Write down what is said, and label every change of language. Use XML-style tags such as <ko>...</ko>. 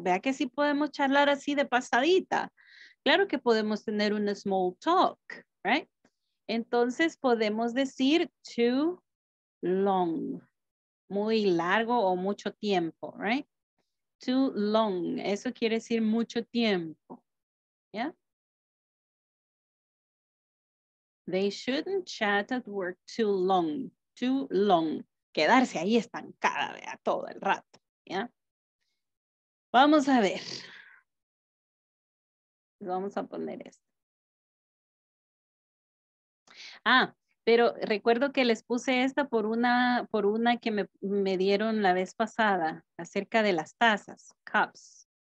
<es>Vea que sí podemos charlar así de pasadita. Claro que podemos tener un</es> <en>small talk, right?</en> <es>Entonces podemos decir</es> <en>too long,</en> <es>muy largo o mucho tiempo, right?</es> <en>Too long,</en> <es>eso quiere decir mucho tiempo, yeah?</es> <en>They shouldn't chat at work too long, too long.</en> <es>Quedarse ahí estancada, vea, todo el rato, yeah? Vamos a ver. Vamos a poner esto. Ah, pero recuerdo que les puse esta por una que me dieron la vez pasada acerca de las tazas, cups.</es>